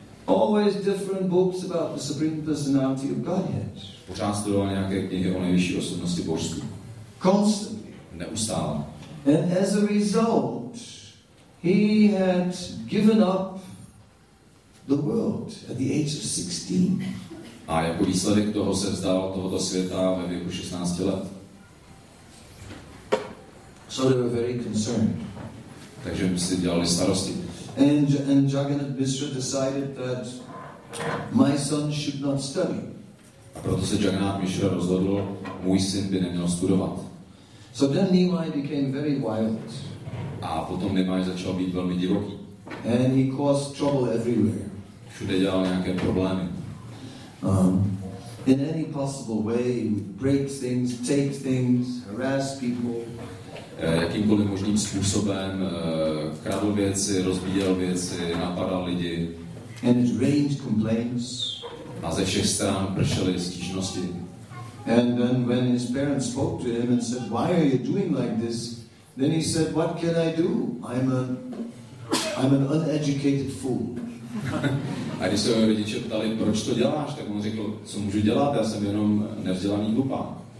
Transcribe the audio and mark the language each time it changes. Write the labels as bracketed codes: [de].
[en] Always different books about the Supreme Personality of Godhead. [cs] Pořád studoval nějaké knihy o nejvyšší osobnosti božství. [en] Constantly. [cs] Neustále. [en] And as a result, he had given up the world at the age of 16. [cs] A jako výsledek toho se vzdal tohoto světa ve věku 16 let. [en] So they were very concerned. [cs] Takže si dělali starosti. [en] And Jagannath Mishra decided that my son should not study. [cs] A proto se Jagannath Mishra rozhodl, můj syn by neměl studovat. [en] So then Nimai became very wild. [cs] A potom Nimai začal být velmi divoký. [en] And he caused trouble everywhere. [cs] Všude dělal nějaké problémy. [en] In any possible way, he would break things, take things, harass people. [cs] Jakýmkoliv možným způsobem kradl věci, rozbíjel věci, napadal lidi. [en] And it rained complaints. [cs] A ze všech stran pršely stížnosti. [en] And then when his parents spoke to him and said, why are you doing like this? Then he said, what can I do? I'm an uneducated fool. [cs] A když se jeho rodiče ptali, proč to děláš, tak on řekl, co můžu dělat, já jsem jenom nevzdělaný hlupák.